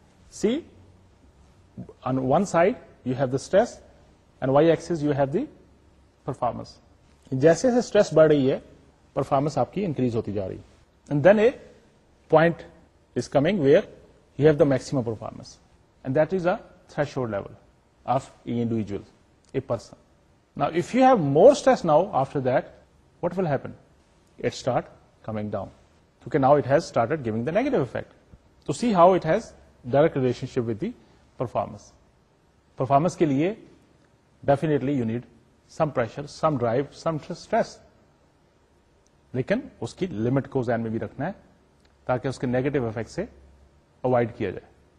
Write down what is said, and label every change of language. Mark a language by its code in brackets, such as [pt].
[en] See on one side you have the stress and Y axis you have the performance. [ur] جیسے جیسے stress بڑھ رہی ہے performance آپ کی انکریز ہوتی جا رہی ہے. [en] And then a point is coming where you have the maximum performance and that is a threshold level of individual a person. Now if you have more stress now after that what will happen, it start coming down کیونکہ now it has started giving the negative effect. To see how it has direct relationship with the performance. [ur] Performance کے لیے [en] definitely you need some pressure, some drive, some stress, [ur] لیکن اس کی limit کو ذہن میں بھی رکھنا ہے تاکہ اس کے نیگیٹو افیکٹ سے اوائڈ کیا جائے.